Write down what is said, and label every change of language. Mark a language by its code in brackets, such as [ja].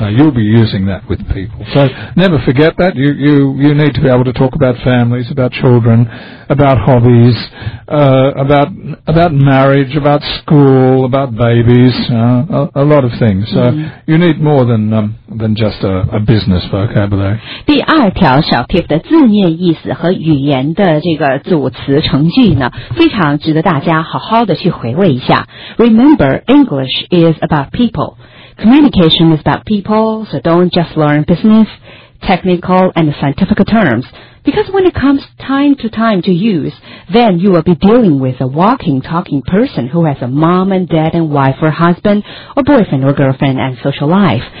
[en] You'll be using that with people. So never forget that. You need to be able to talk about families, about children, about hobbies, about marriage, about school, about babies, a lot of things. So you need more than just a business vocabulary. [zh] 第二条小 tip 的字面意思和语言的这个组词成句呢，非常值得大家好好的去回味一下。 [en] Remember, English is about people. Communication is about people, so don't just learn business, technical, and scientific terms. Because when it comes time to time to use, then you will be dealing with a walking, talking person who has a mom and dad and wife or husband or boyfriend or girlfriend and social life.